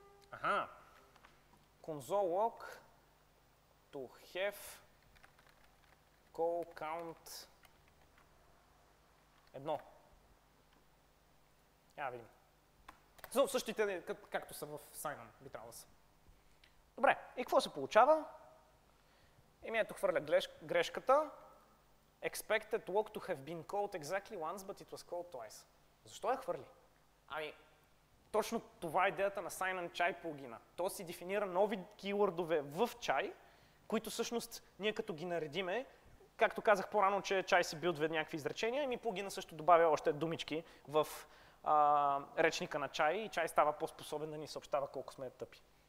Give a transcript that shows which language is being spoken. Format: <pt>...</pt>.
<en>Аха, console log to have call count 1.</en> <bg>Я да видим. Същите, както са в sign-on, би трябвало да са. Добре, и какво се получава? Еми, ето хвърля грешката.</bg> <en>Expected log to have been called exactly once, but it was called twice.</en> <bg>Защо я хвърли? Ами, точно това е идеята на sign-on чай плагина. То си дефинира нови keyword-ове в чай, които всъщност ние като ги наредиме, както казах по-рано, че чай се билдва някакви изречения, ами плагина също добавя още думички в речника на чай и чай става по-способен да ни съобщава колко сме тъпи.</bg>